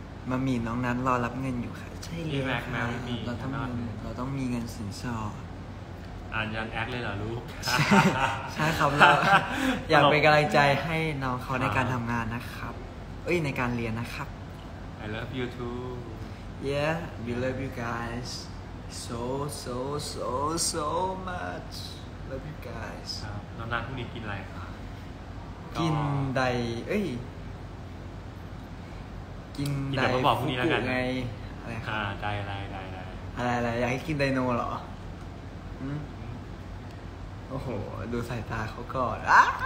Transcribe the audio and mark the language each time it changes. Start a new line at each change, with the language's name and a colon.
Thai: มามีน้องนั้นรอรับเงินอยู่ค่ะใช่เลย พี่แม็กแม่มี เราต้องมีเงินสินสอด อ่านยันแอคเลยเหรอลูก ใช่ครับเราอยากเป็นกำลังใจให้น้องเขาในการทำงานนะครับเอ้ยในการเรียนนะครับ
English: I love you too Yeah we love you guysso so so so much love you guys
Thai: ครับน้องนัทพรุ่งนี้กินอะไรคะ กินใดเอ้ยกินใด มาบอกพรุ่งนี้แล้วกัน ไง อะไรครับใด อะไรอะไรอยากให้กินไดโนเหรอโอ้โหดูสายตาเขาก่อนอ่ะ